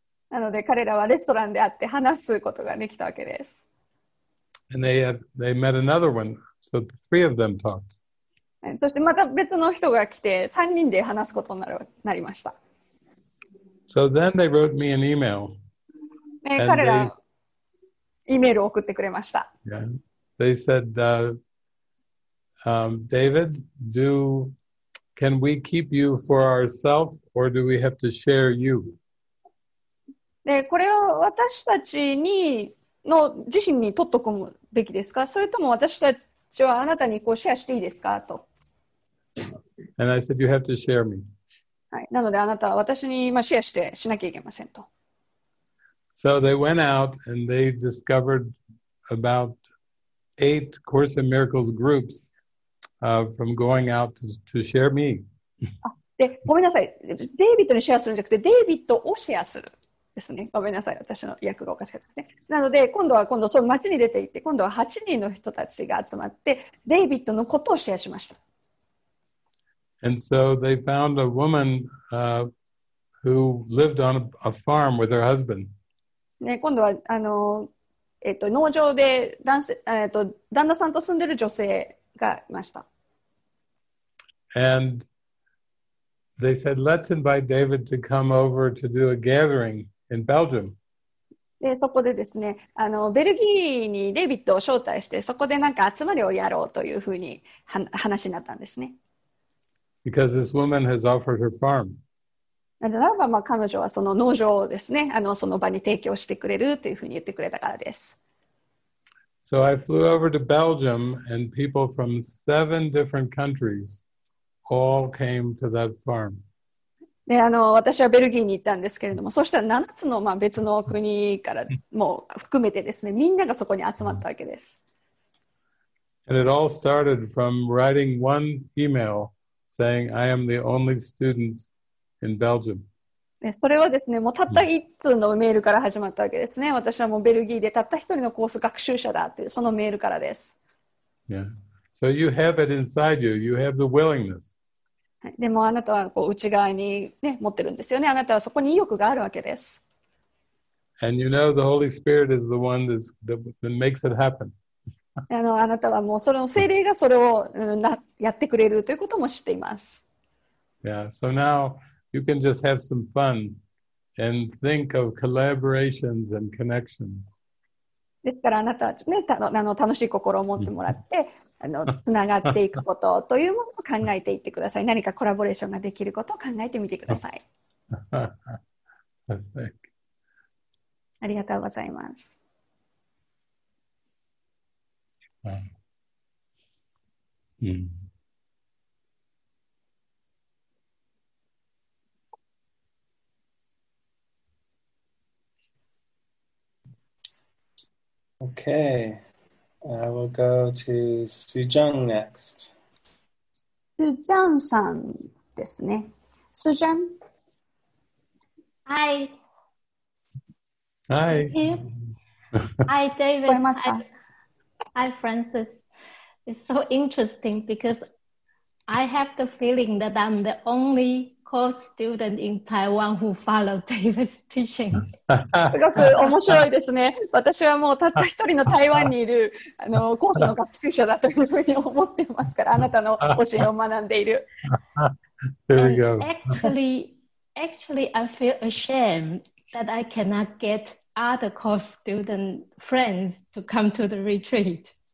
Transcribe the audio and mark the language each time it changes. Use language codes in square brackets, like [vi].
[ja] なので彼らはレストランで会って話すことができたわけです。 [en] And they met another one, so the three of them talked. [ja] そしてまた別の人が来て3人で話すことになりました。 [en] So then they wrote me an email. [ja] 彼らイメールを送ってくれました。 [en] Yeah, they said, David, do... Can we keep you for ourselves, or do we have to share you? [ja] で、これを私たちにの自身に取っとくべきですか、それとも私たちはあなたにこうシェアしていいですかと。 [en] And I said, you have to share me. [ja] はい、なのであなたは私にまあシェアしてしなきゃいけませんと。 [en] So they went out and they discovered about 8 Course in Miracles groups. From going out to share me. [ja] で、ごめんなさい。デイビッドにシェアするんじゃなくて、デイビッドをシェアするですね。ごめんなさい。私の訳がおかしかったですね。なので、今度はその街に出て行って、今度は8人の人たちが集まって、デイビッドのことをシェアしました。 [en] And so they found a woman, who lived on a farm with her husband. [ja] ね、今度は農場で旦那さんと住んでる女性がいました。 [en] And they said, let's invite David to come over to do a gathering in Belgium. [ja] で、そこでですね、ベルギーにデイビッドを招待して、そこでなんか集まりをやろうというふうに話になったんですね。 [en] Because this woman has offered her farm. [ja] ならば、まあ、彼女はその農場をですね、その場に提供してくれるというふうに言ってくれたからです。 [en] So I flew over to Belgium and people from seven different countries all came to that farm. [ja] で、私はベルギーに行ったんですけれども、そしたら7つの、まあ、別の国からも含めてですね、みんながそこに集まったわけです。 [en] And it all started from writing one email saying, I am the only student in Belgium. [ja] で、それはですね、もうたった1通のメールから始まったわけですね。私はもうベルギーでたった1人のコース学習者だという、そのメールからです。 [en] Yeah. So you have it inside you. You have the willingness. [ja] でもあなたはこう内側に、ね、持ってるんですよね。あなたはそこに意欲があるわけです。 [en] And you know the Holy Spirit is the one that makes it happen. [ja] あなたはもうその聖霊がそれをやってくれるということも知っています。 [en] Yeah, so now you can just have some fun and think of collaborations and connections. [ja] ですからあなたは、ね、楽しい心を持ってもらってつながっていくことというものを考えていってください。何かコラボレーションができることを考えてみてください。ありがとうございます。 [en] Okay, I will go to Sujung next. [ja] Sujung san desu ne. Sujung. [en] Hi. Hi. Hi, David. Hi, Francis. It's so interesting because I have the feeling that I'm the only course student in Taiwan who followed David's teaching. [ja] すごく面白いですね。私はもうたった一人の台湾にいるコースの学習者だというふうに思ってますから、あなたの教えを学んでいる。 [en] There we go. Actually, I feel ashamed that I cannot get other course student friends to come to the retreat.